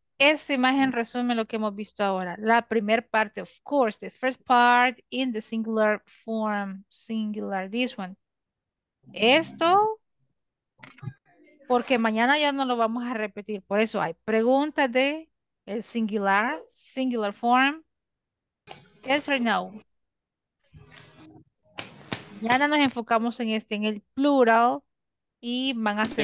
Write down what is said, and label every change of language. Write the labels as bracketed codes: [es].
[es] Esa imagen resume lo que hemos visto ahora. La primera parte, [en] of course, the first part in the singular form, singular, this one. [es] Esto, porque mañana ya no lo vamos a repetir. Por eso hay preguntas de el [en] singular form. Yes or no? [es] Mañana nos enfocamos en este, en el plural, y van a ser...